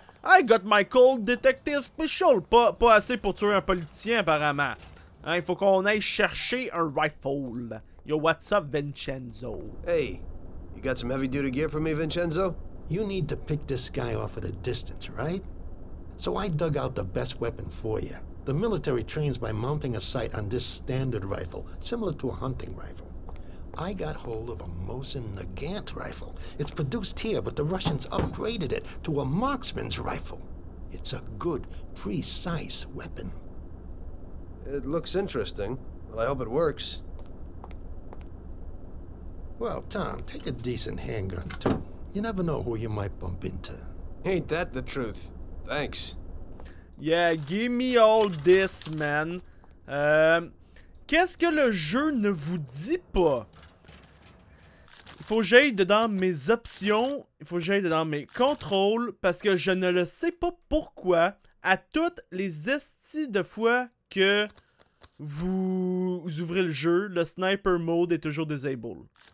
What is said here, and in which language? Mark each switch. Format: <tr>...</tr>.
<en>I got my cold detective special.</en> <fr>Pas assez pour tuer un politicien, apparemment. Hein, il faut qu'on aille chercher un rifle.</fr> <en>Yo, what's up, Vincenzo? Hey. You got some heavy-duty gear for me, Vincenzo? You need to pick this guy off at a distance, right? So I dug out the best weapon for you. The military trains by mounting a sight on this standard rifle, similar to a hunting rifle. I got hold of a Mosin Nagant rifle. It's produced here, but the Russians upgraded it to a marksman's rifle. It's a good, precise weapon. It looks interesting. Well, I hope it works. Well, Tom, take a decent handgun, too. You never know who you might bump into. Ain't that the truth. Thanks. Yeah, give me all this, man.</en> <fr>Qu'est-ce que le jeu ne vous dit pas? Il faut que j'aille dedans mes options. Il faut que j'aille dedans mes contrôles. Parce que je ne le sais pas pourquoi. À toutes les esties de fois que vous ouvrez le jeu, le sniper mode est toujours disabled.</fr>